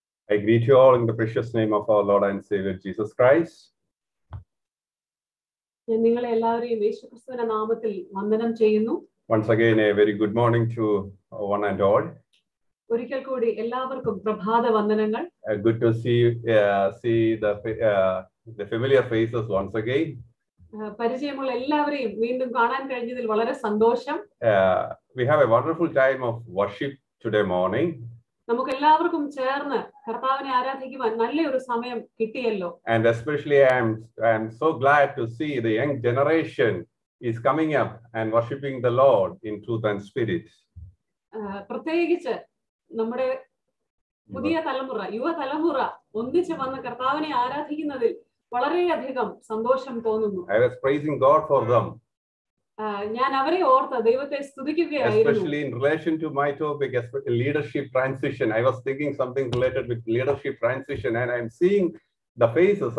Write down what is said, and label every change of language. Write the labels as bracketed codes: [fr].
[en] I greet you all in the precious name of our Lord and Savior Jesus Christ. [ml] നിങ്ങളെ എല്ലാവരെയും യേശുക്രിസ്തുവിന്റെ നാമത്തിൽ വന്ദനം ചെയ്യുന്നു. [en] Once again a very good morning to one and all. [ml] ഒരിക്കൽ കൂടി എല്ലാവർക്കും പ്രഭാത വന്ദനങ്ങൾ. [en] Good to see the familiar faces once again. [ml] പരിചയമുള്ള എല്ലാവരെയും വീണ്ടും കാണാൻ കഴിഞ്ഞതിൽ വളരെ സന്തോഷം. [en] We have a wonderful time of worship today morning. [ml] നമുക്ക് എല്ലാവർക്കും ചേർന്ന് കർത്താവിനെ ആരാധിക്കുവാൻ നല്ലൊരു സമയം കിട്ടിയല്ലോ. [en] And especially I am so glad to see the young generation is coming up and worshiping the Lord in truth and spirit. [ml] പ്രത്യേകിച്ച് നമ്മുടെ പുതിയ തലമുറ യുവതലമുറ ഒന്നിച്ച് വന്ന് കർത്താവിനെ ആരാധിക്കുന്നതിൽ വളരെയധികം സന്തോഷം തോന്നുന്നു. [en] I was praising God for them. [ml] ഞാൻ അവരെ ഓർത്ത് ദൈവത്തെ സ്തുതിക്കുകയായിരുന്നു. [en] Especially in relation to my topic, leadership transition, I was thinking something related with leadership transition, and I am seeing the faces.